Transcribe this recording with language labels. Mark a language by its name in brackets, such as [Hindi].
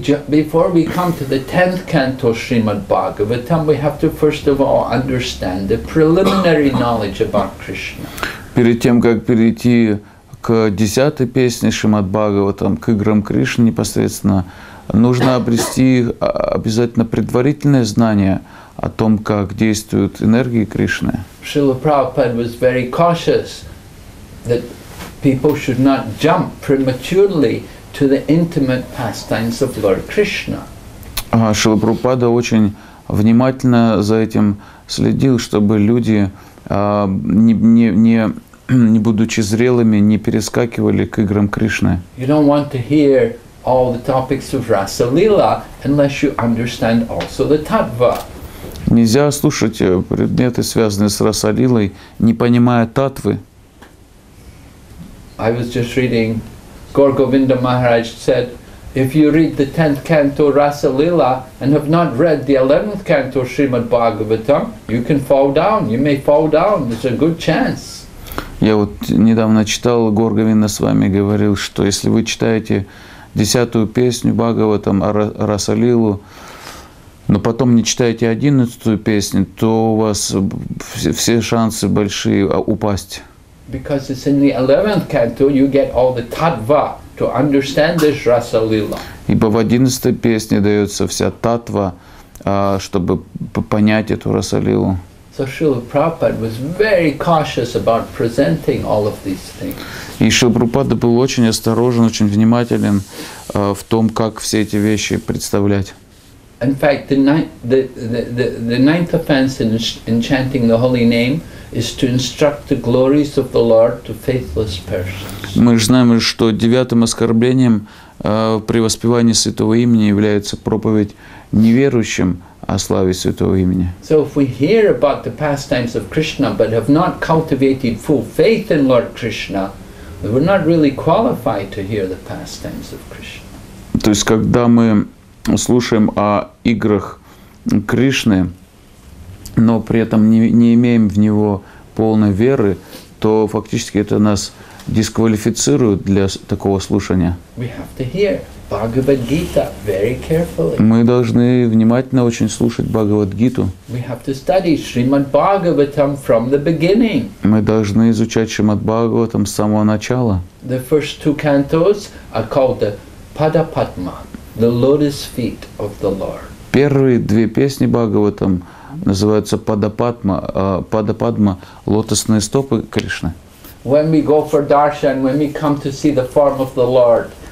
[English] Before we come to the 10th canto Srimad Bhagavatam, we have to first of all understand the preliminary knowledge about Krishna. [Russian] Перед тем, как перейти к 10-й песне Шримад Бхагаватам, к играм Кришны непосредственно, нужно обрести обязательно предварительное знание о том, как действуют энергии Кришны. [English] Шрила Прабхупада was very cautious that people should not jump prematurely to the intimate pastimes of Lord Krishna. [Russian] Шрила Прабхупада очень внимательно за этим следил, чтобы люди, не будучи зрелыми, не перескакивали к играм Кришны. [English] You don't want to hear all the topics of Rasa Lila unless you understand also the Tattva. [Russian] Нельзя слушать предметы, связанные с Расалилой, не понимая Таттвы. [English] I was just reading, Gaur Govinda Maharaj said, if you read the 10th canto Rasa Lila and have not read the 11th canto Srimad Bhagavatam, you can fall down, you may fall down, there's a good chance. [Russian] Я вот недавно читал, Гаур Говинда с вами говорил, что если вы читаете 10-ю песню Бхагаватам, Расалилу, но потом не читаете 11-ю песню, то у вас все шансы большие упасть. [English] Because it's in the 11th canto, you get all the tattva to understand this Rasalila. [Russian] Ибо в 11-й песне дается вся таттва, чтобы понять эту Расалилу. [English] So Srila Prabhupada was very cautious about presenting all of these things. [Russian] И Шрила Прабхупада был очень осторожен, очень внимателен в том, как все эти вещи представлять. [English] In fact, the ninth offense in chanting the holy name is to instruct the glories of the Lord to faithless persons. [Russian] Мы же знаем, что 9-м оскорблением при воспевании святого имени является проповедь неверующим о славе святого имени. [English] So if we hear about the pastimes of Krishna but have not cultivated full faith in Lord Krishna, we're not really qualified to hear the pastimes of Krishna. [Russian] То есть когда мы слушаем о играх Кришны, но при этом не имеем в него полной веры, то фактически это нас дисквалифицирует для такого слушания. [English] We have to hear Bhagavad Gita very carefully. [Russian] Мы должны внимательно очень слушать Бхагавад-гиту. [English] We have to study Srimad Bhagavatam from the beginning. [Russian] Мы должны изучать Шримад Бхагаватам с самого начала. [English] The first 2 cantos are called the Padapadma, the lotus feet of the Lord. [Russian] Первые 2 песни Бхагаватам называются Падападма, лотосные стопы Кришны. [English] When we go for darshan, when we come to see the form of the Lord,